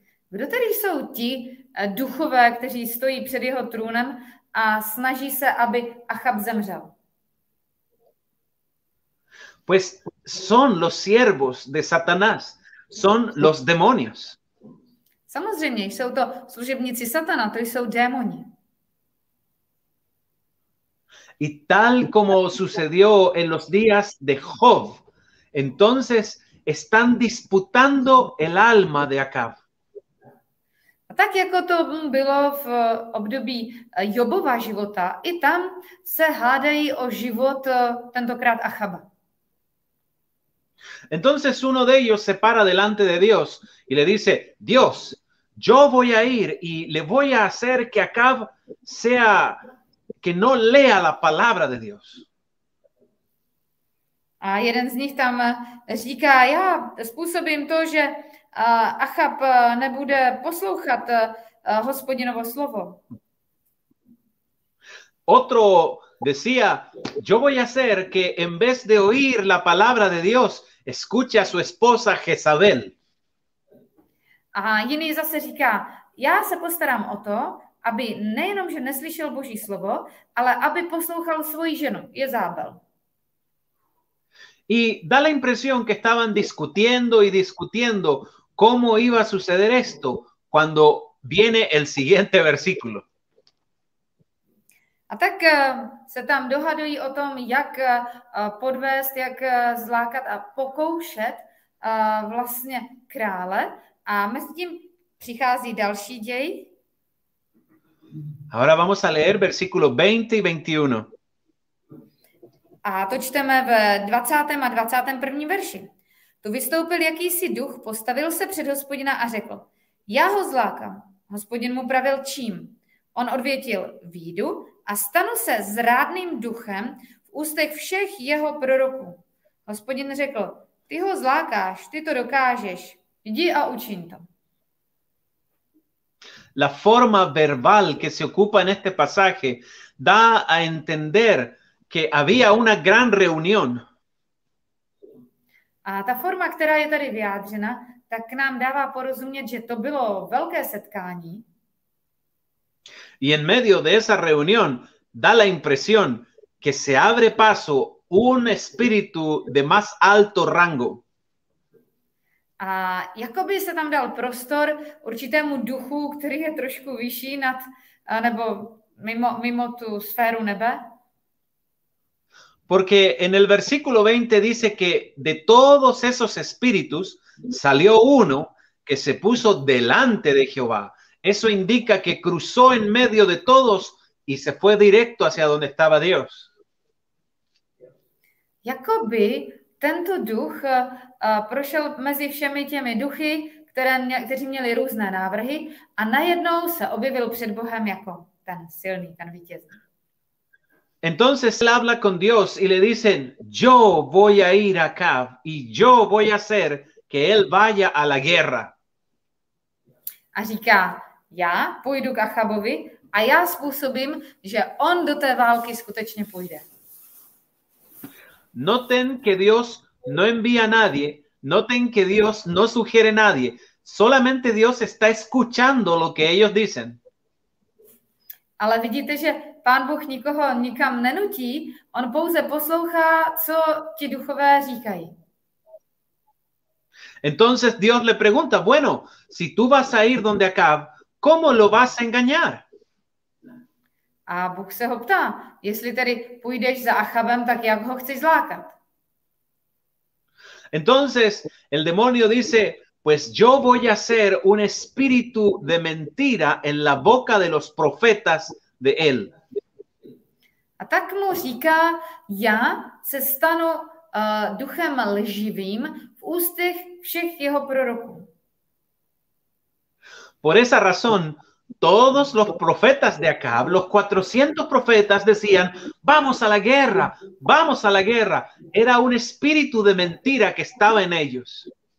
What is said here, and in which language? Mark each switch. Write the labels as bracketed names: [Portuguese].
[Czech] Kdo tedy jsou ti duchové, kteří stojí před jeho trůnem a snaží se, aby Achab zemřel? [Spanish] Pues son los siervos de Satanás, son los demonios. [Czech] Samozřejmě, jsou to služebníci Satana, to jsou démoni. [Spanish] Y tal como sucedió en los días de Job, entonces están disputando el alma de Acab. [Czech] Tak jako to bylo v období Jobova života, i tam se hádají o život tentokrát Achaba. [Spanish] Entonces uno de ellos se para delante de Dios y le dice, Dios, yo voy a ir y le voy a hacer que Acab sea, que no lea la palabra de Dios. [Czech] A jeden z nich tam říká, já způsobím to, že Achab nebude poslouchat Hospodinovo slovo. [Spanish] Otro decía, yo voy a hacer que en vez de oír la palabra de Dios, escuche a su esposa Jezabel. [Czech] A jiný zase říká, já se postarám o to, aby nejenom, že neslyšel Boží slovo, ale aby poslouchal svoji ženu, Jezabel. [Spanish] Y da la impresión que estaban discutiendo y discutiendo cómo iba a suceder esto cuando viene el siguiente versículo. [Czech] A tak se tam dohadují o tom, jak podvést, jak zlákat a pokoušet vlastně krále. A mezi tím přichází další děj. [Spanish] Ahora vamos a leer versículo 20 y 21. [Czech] A to čteme ve 20. a 21. verši. Tu vystoupil jakýsi duch, postavil se před Hospodina a řekl, já ho zlákám. Hospodin mu pravil čím. On odvětil, výjdu a stanu se zrádným duchem v ústech všech jeho proroků. Hospodin řekl, ty ho zlákáš, ty to dokážeš, jdi a učin to. [Spanish] La forma verbal que se ocupa en este pasaje da a entender que había una gran reunión. [Czech] A ta forma, která je tady vyjádřena, tak nám dává porozumět, že to bylo velké setkání. [Spanish] Y en medio de esa reunión da la impresión que se abre paso un espíritu de más alto rango. [Czech] A jakoby se tam dal prostor určitému duchu, který je trošku vyšší nad, nebo mimo tu sféru nebe. [Spanish] Porque en el versículo 20 dice que de todos esos espíritus salió uno que se puso delante de Jehová. Eso indica que cruzó en medio de todos y se fue directo hacia donde estaba Dios. [Czech] Jakoby tento duch prošel mezi všemi těmi duchy, kteří měli různé návrhy a najednou se objevil před Bohem jako ten silný, ten vítězný. [Spanish] Entonces él habla con Dios y le dicen, yo voy a ir a Acab y yo voy a hacer que él vaya a la guerra. [Czech] A říká, já půjdu k Achabovi a já způsobím, že on do té války skutečně půjde. [Spanish] Noten que Dios no envía a nadie, noten que Dios no sugiere a nadie, solamente Dios está escuchando lo que ellos dicen. [Czech] Ale vidíte, že Pán Bůh nikoho nikam nenutí, on pouze poslouchá, co ti duchové říkají. [Spanish] Entonces Dios le pregunta, bueno, si tú vas a ir donde Acab, ¿cómo lo vas a engañar? [Czech] A Bůh se ho ptá, jestli tedy půjdeš za Achabem, tak jak ho chceš zlákat? [Spanish] Entonces el demonio dice, pues yo voy a ser un espíritu de mentira en la boca de los profetas de él. [Czech] A tak mu říká, já se stanu duchem lživým v ústech všech jeho proroků. [Spanish] Por esa razón, todos los profetas de Acab, los 400 profetas decían, vamos a la guerra, vamos a la guerra. Era un espíritu de mentira que estaba en ellos.